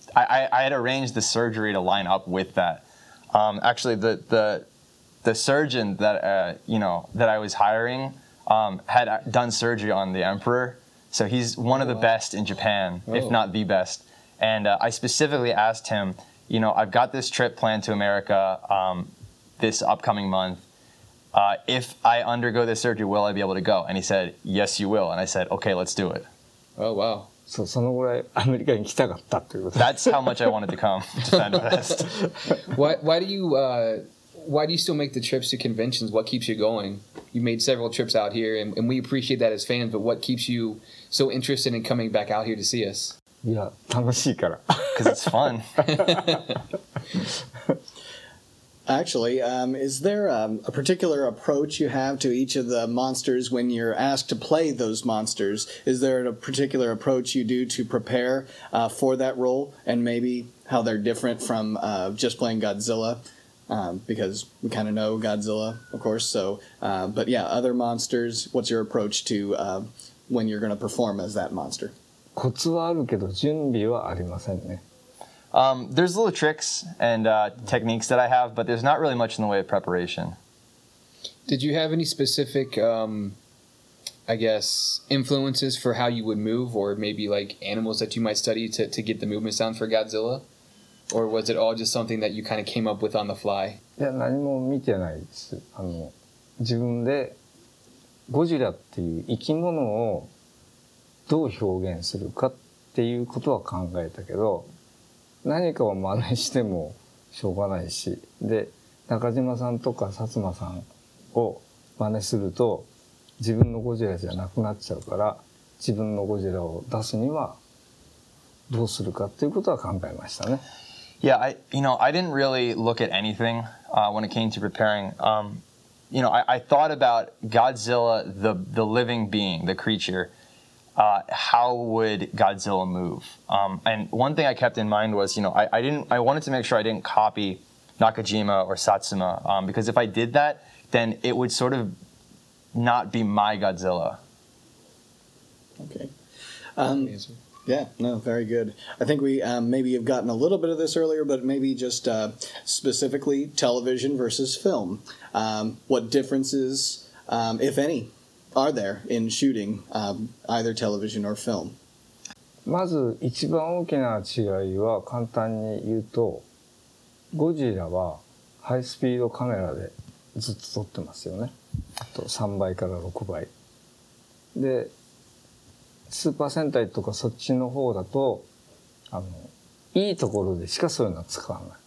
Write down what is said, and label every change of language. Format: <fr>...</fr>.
<en>I had arranged the surgery to line up with that. Actually, the surgeon that you know that I was hiring had done surgery on the Emperor, so he's one of the best in Japan, if not the best. And I specifically asked him, you know, I've got this trip planned to America this upcoming month. If I undergo this surgery, will I be able to go? And he said, yes, you will. And I said, okay, let's do it. Oh, wow.</en> <ja>So, そのぐらいアメリカに来たかったということ。</ja> <en>That's how much I wanted to come to Fan Fest. Why do you still make the trips to conventions? What keeps you going? You made several trips out here, and we appreciate that as fans, but what keeps you so interested in coming back out here to see us?</en> <ja>いや、楽しいから。</ja> <en>Because it's fun. Actually, is there a particular approach you have to each of the monsters when you're asked to play those monsters? Is there a particular approach you do to prepare for that role, and maybe how they're different from just playing Godzilla? Because we kind of know Godzilla, of course. So, but yeah, other monsters. What's your approach to when you're going to perform as that monster?</en> <ja>コツはあるけど準備はありませんね。</ja> <en>There's little tricks and techniques that I have, but there's not really much in the way of preparation. Did you have any specific, I guess, influences for how you would move, or maybe like animals that you might study to get the movement sound for Godzilla? Or was it all just something that you kind of came up with on the fly?</en> <ja>いや、何も見てないです。あの、自分でゴジラっていう生き物をどう表現するかっていうことは考えたけど、何かを真似してもしょうがないし。で、中島さんとか薩摩さんを真似すると自分のゴジラじゃなくなっちゃうから、自分のゴジラを出すにはどうするかっていうことは考えましたね。</ja> <en>Yeah, I didn't really look at anything, when it came to preparing. You know, I thought about Godzilla, the living being, the creature. How would Godzilla move? And one thing I kept in mind was, you know, I wanted to make sure I didn't copy Nakajima or Satsuma, because if I did that, then it would sort of not be my Godzilla. Okay. Yeah, no, very good. I think we maybe have gotten a little bit of this earlier, but maybe just specifically television versus film. What differences, if any, are there in shooting either television or film?</en> <ja>まず一番大きな違いは簡単に言うと、ゴジラはハイスピードカメラでずっと撮ってますよね。あと3倍から6倍。で、スーパー戦隊とかそっちの方だと、あの、いいところでしかそういうのは使わない。</ja>